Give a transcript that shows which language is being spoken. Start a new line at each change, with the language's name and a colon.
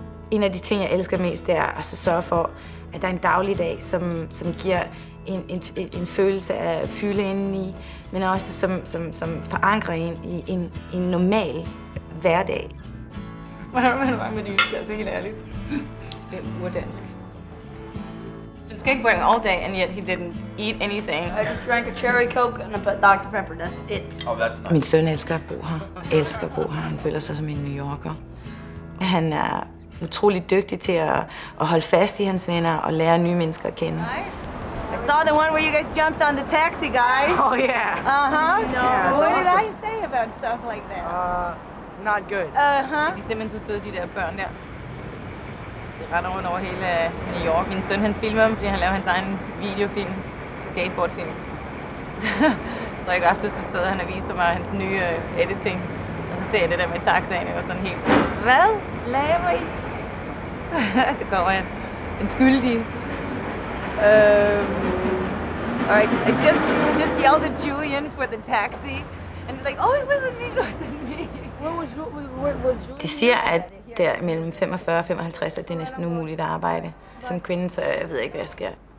Danish: En af de ting, jeg elsker mest, det er at så sørge for, at der er en dagligdag, som giver en følelse af fylde indeni, men også som forankrer en i en normal hverdag. Hvordan var det med dansk, altså helt ærligt? Hvem er urdansk?
English: Skateboarding all day, and yet he didn't eat anything. I just drank a cherry coke and a Dr. Pepper. That's it. Oh, that's nice.
Danish: Min søn elsker at bo her. Elsker at bo her. Han føler sig som en New Yorker. Han er utrolig dygtig til at holde fast i hans venner og lære nye mennesker at kende.
English: I saw the one where you guys jumped on the taxi, guys. Oh yeah. Uh huh. No. Yeah, what awesome. Did I say about stuff like that? It's not good. Uh huh.
Danish: De simpelthen så søde, de der børn der. Jeg render rundt over hele New York. Min søn han filmer mig, fordi han laver hans egen videofilm. Skateboardfilm. Så i går aftes så sidder han og viser mig hans nye editing. Og så ser jeg det der med taxaen, og sådan helt... Hvad laver I? Det kommer en skyldig.
English: Alright, I just yelled at Julian for the taxi. And he's like, oh, it wasn't me, it wasn't me.
Danish: De siger, at der mellem 45 og 55, at det er næsten umuligt at arbejde som kvinde, så jeg ved ikke, hvad jeg sker.